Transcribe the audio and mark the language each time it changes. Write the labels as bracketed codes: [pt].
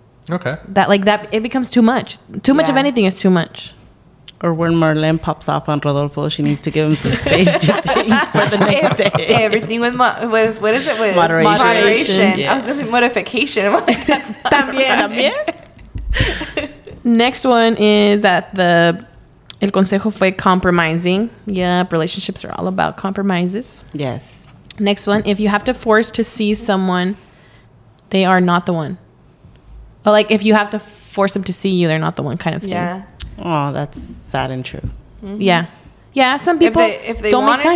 [en] Okay. That it becomes too much. Too much of anything is too much. Or when Marlene pops off on Rodolfo, she needs to give him some space to think for the next day. Everything with moderation. Moderation. Yeah. I was going to say modification. I'm like, [es] También. [en] Next one is that the el consejo fue compromising. Yep, relationships are all about compromises. Yes. Next one, if you have to force to see someone, they are not the one. But like, if you have to force them to see you, they're not the one, kind of thing. Yeah. Oh, that's sad and true. Mm-hmm. Yeah. Yeah, some people if they don't make time